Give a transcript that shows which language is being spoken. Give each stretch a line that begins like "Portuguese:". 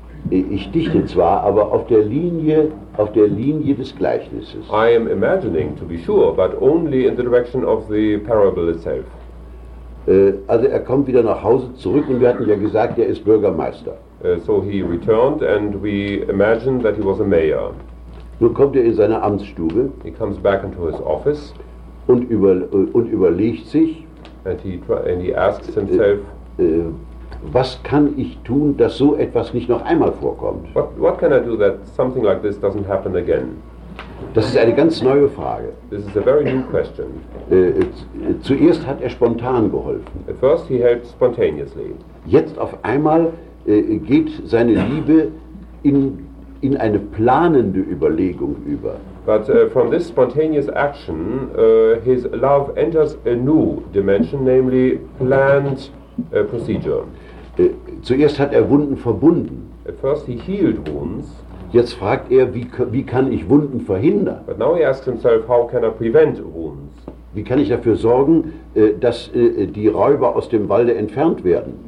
German: Ich dichte zwar, aber auf der Linie des Gleichnisses.
English: I am imagining, to be sure, but only in the direction of the parable itself.
German: Also er kommt wieder nach Hause zurück und wir hatten ja gesagt, er ist Bürgermeister.
English: So he returned and we imagined that he was a mayor.
German: Nun kommt er in seine Amtsstube.
English: He comes back into his office.
German: Und überlegt sich.
English: And he asks himself.
German: was kann ich tun, dass so etwas nicht noch einmal vorkommt?
English: What can I do that something like this doesn't happen again?
German: Das ist eine ganz neue Frage.
English: This is a very new question.
German: Zuerst hat er spontan geholfen.
English: At first he helped spontaneously.
German: Jetzt auf einmal geht seine Liebe in eine planende Überlegung über.
English: But from this spontaneous action, his love enters a new dimension, namely planned procedure.
German: Zuerst hat er Wunden verbunden.
English: At first he healed wounds.
German: Jetzt fragt er, wie kann ich Wunden verhindern?
English: But now he asks himself, how can I prevent wounds?
German: Wie kann ich dafür sorgen, dass die Räuber aus dem Walde entfernt werden?